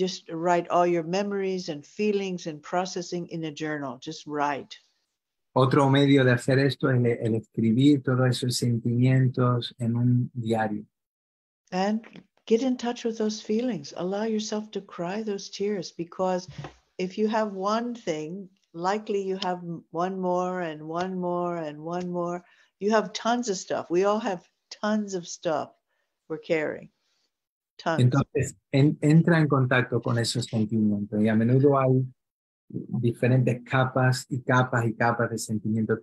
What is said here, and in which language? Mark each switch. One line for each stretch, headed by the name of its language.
English: Write all your memories and feelings and processing in a journal. Just write.
Spanish: Otro medio de hacer esto es el escribir todos esos sentimientos en un diario.
English: And get in touch with those feelings. Allow yourself to cry those tears, because if you have one thing, likely you have one more and one more and one more. You have tons of stuff. We all have tons of stuff we're carrying. Tons.
Spanish: Entonces, entra en contacto con esos sentimientos. Y a menudo hay diferentes capas y capas y capas de sentimientos.